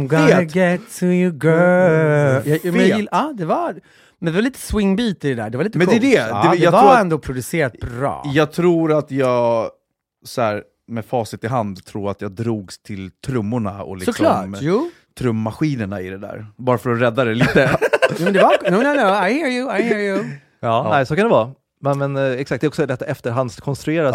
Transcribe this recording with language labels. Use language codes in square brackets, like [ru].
[en] I'm gonna get to you girl. [sv] Mm. Fet. Ja, det var... Men det var lite swingbeat i det där. Det var lite men coolt. Det är det. Ja, det var ändå producerat bra. Jag tror att jag, så här, med facit i hand, tror att jag drogs till trummorna och liksom såklart, trummaskinerna i det där. Bara för att rädda det lite. Ja, men det var, [en] no, I hear you. [sv] Ja, ja. Nej, så kan det vara. Men exakt, det är också detta efterhandskonstruerat.